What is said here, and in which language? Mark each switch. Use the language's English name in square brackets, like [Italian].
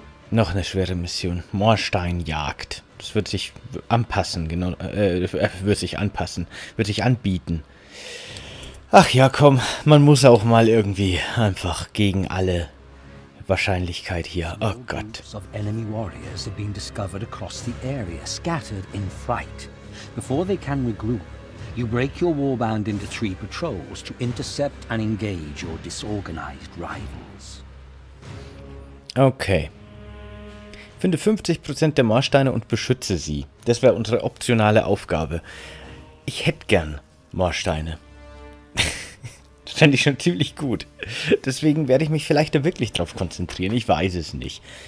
[German] Noch eine schwere Mission. Moorsteinjagd. Das wird sich anpassen, genau. Wird sich anbieten. Ach ja, komm. Man muss auch mal irgendwie einfach gegen alle Wahrscheinlichkeit hier. Oh Gott. [English] Of enemy warriors have been discovered across the area, scattered in fright. Before they can regroup, you break your warband into 3 patrols to intercept and engage your disorganized rivals. Okay. [German] Finde 50% der Moorsteine und beschütze sie. Das wäre unsere optionale Aufgabe. Ich hätte gern Moorsteine. Das fände ich schon ziemlich gut. Deswegen werde ich mich vielleicht da wirklich drauf konzentrieren. Ich weiß es nicht.